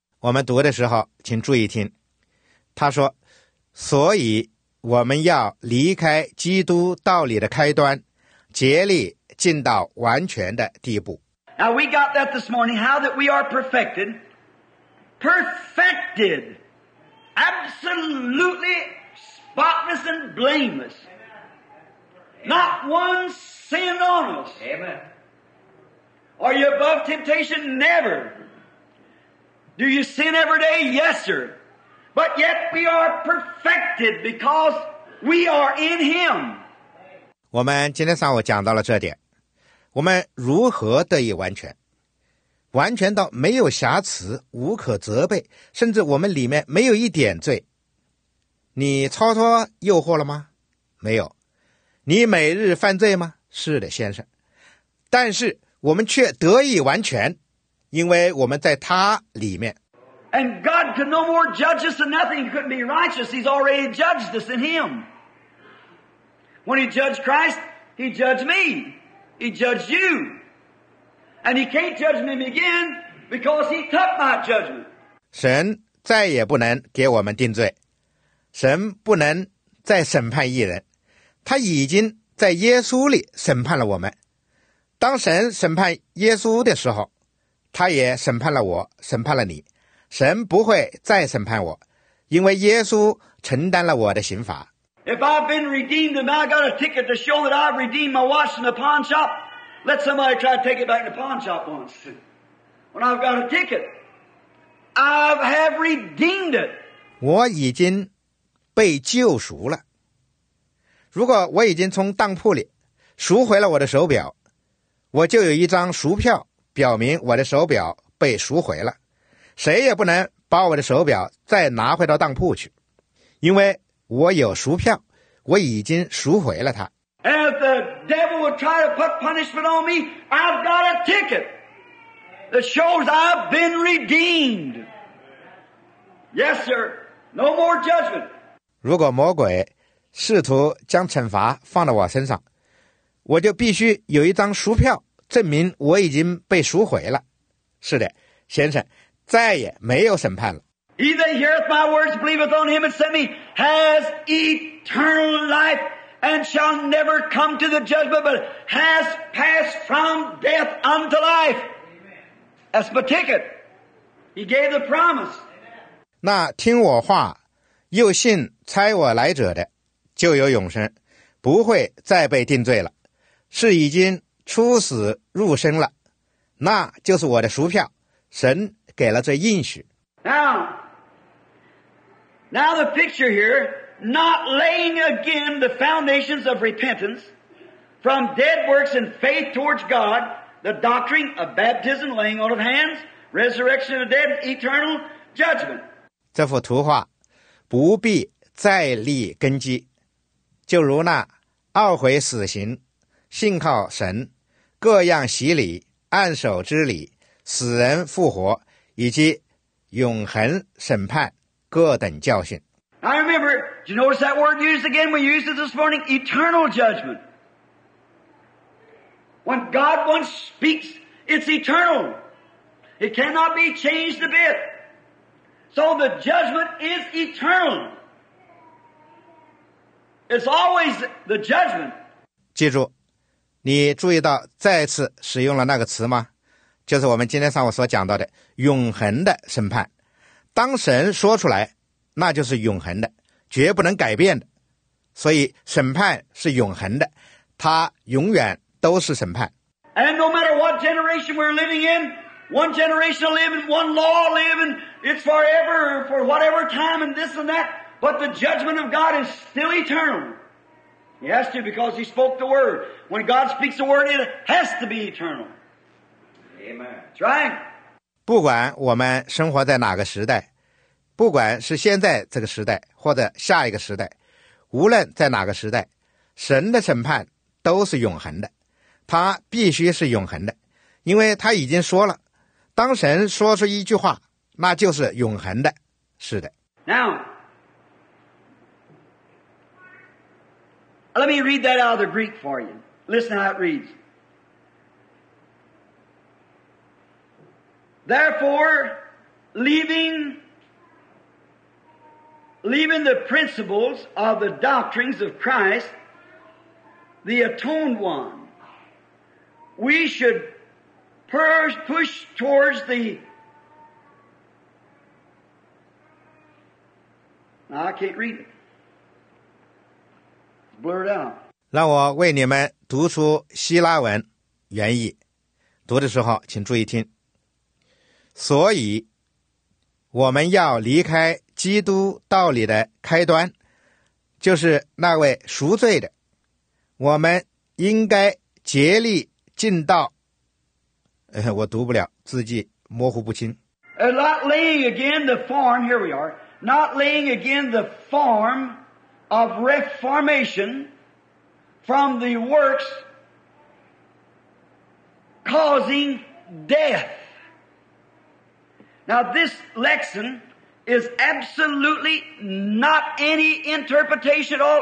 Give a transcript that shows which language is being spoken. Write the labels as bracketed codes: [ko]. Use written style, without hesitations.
[zh] 我们读的时候，请注意听。他说，所以我们要离开基督道理的开端，竭力进到完全的地步。 [en] Now we got that this morning, how that we are perfected. Perfected. Absolutely, spotless and blameless. Amen. Not one sin on us. Amen. Are you above temptation? Never. Do you sin every day? Yes, sir. But yet we are perfected because we are in Him. [zh] 我们今天上午讲到了这点，我们如何得以完全？完全到没有瑕疵，无可责备，甚至我们里面没有一点罪。你超脱诱惑了吗？没有。你每日犯罪吗？是的，先生。但是我们却得以完全，因为我们在他里面。 [en] And God could no more judge us than nothing. He couldn't be righteous. He's already judged us in Him. When He judged Christ, He judged me. He judged you. And He can't judge me again because He took my judgment. [zh] 神再也不能给我们定罪，神不能再审判义人，他已经在耶稣里审判了我们。当神审判耶稣的时候，他也审判了我，审判了你。神不会再审判我，因为耶稣承担了我的刑罚。 [en] If I've been redeemed and I got a ticket to show that I've redeemed my watch in the pawn shop, let somebody try to take it back in the pawn shop once. When I've got a ticket, I have redeemed it. [zh] 我已经被救赎了。如果我已经从当铺里赎回了我的手表，我就有一张赎票，表明我的手表被赎回了。谁也不能把我的手表再拿回到当铺去，因为我有赎票，我已经赎回了它。 [en] If the devil would try to put punishment on me, I've got a ticket that shows I've been redeemed. Yes, sir. No more judgment. [zh] 如果魔鬼试图将惩罚放到我身上，我就必须有一张赎票，证明我已经被赎回了。是的，先生。再也没有审判了。 [en] He that heareth my words, believeth on him and sent me, has eternal life, and shall never come to the judgment, but has passed from death unto life. That's my ticket. He gave the promise. [zh] 那听我话，又信差我来者的，就有永生，不会再被定罪了，是已经出死入生了，那就是我的赎票，神。给了这应许。 [en] Now the picture here, not laying again the foundations of repentance from dead works and faith towards God, the doctrine of baptism, laying on of hands, resurrection of the dead, eternal judgment. [zh] 这幅图画不必再立根基，就如那懊悔死刑、信靠神、各样洗礼、按手之礼、死人复活。以及永恒审判各等教训。 [en] I remember, did you notice that word used again? We used it this morning, eternal judgment. When God once speaks, it's eternal. It cannot be changed a bit. So the judgment is eternal. It's always the judgment. [zh] 记住，你注意到再次使用了那个词吗？就是我们今天上午所讲到的永恒的审判，当神说出来，那就是永恒的，绝不能改变的。所以审判是永恒的，它永远都是审判。 [en] And no matter what generation we're living in, one generation living, one law living, it's forever for whatever time and this and that. But the judgment of God is still eternal. He has to because He spoke the word. When God speaks the word, it has to be eternal. Amen. [zh] 不管我们生活在哪个时代，不管是现在这个时代或者下一个时代，无论在哪个时代，神的审判都是永恒的，他必须是永恒的，因为他已经说了，当神说出一句话，那就是永恒的。是的。 [en] Now let me read that out of the Greek for you. Listen how it readsTherefore, leaving the principles of the doctrines of Christ, the atoned one, we should push towards the... Now, I can't read it. blurt out. [zh] 让我为你们读出希腊文原意。读的时候请注意听。所以我们要离开基督道理的开端，就是那位赎罪的，我们应该竭力尽道。我读不了，字迹模糊不清。 [en] Not laying again the form, here we are, not laying again the form of reformation from the works causing death. Now this lexicon is absolutely not any interpretation at all.